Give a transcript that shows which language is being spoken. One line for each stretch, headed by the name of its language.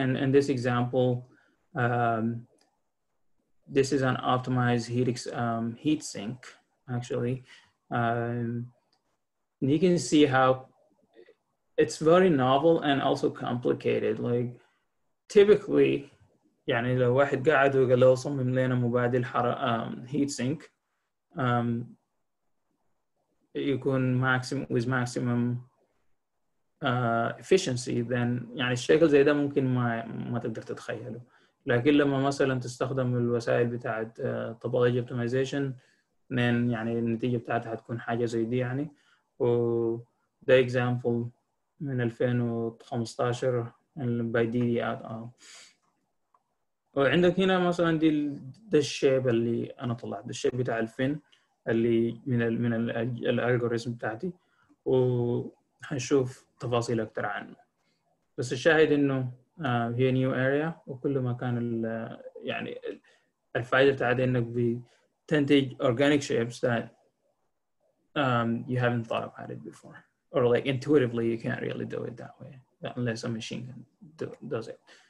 English: And in this example, this is an optimized heat sink, actually. And you can see how it's very novel and also complicated. Like typically,
Arabic: يعني لو واحد قاعد وقال له صمم لنا مبادل heat sink, يكون
English: maximum efficiency, then
Arabic: يعني الشكل زي ده ممكن ما تقدر تتخيله. لكن لما مثلا تستخدم الوسائل بتاعه
English: topology optimization, then
Arabic: يعني النتيجه بتاعتها هتكون حاجه زي دي يعني. وده example من 2015
English: by DD et al.
Arabic: وعندك هنا مثلا دي الشيب اللي انا طلعت الشيب بتاع الفين اللي من الالجوريزم بتاعتي, وهنشوف تفاصيل اكتر عنه. بس الشاهد انه هي نيو اريا, وكل ما كان يعني الفائده بتاعتي انك بتنتج
English: organic shapes that you haven't thought about it before, or like intuitively you can't really do it that way unless a machine can does it.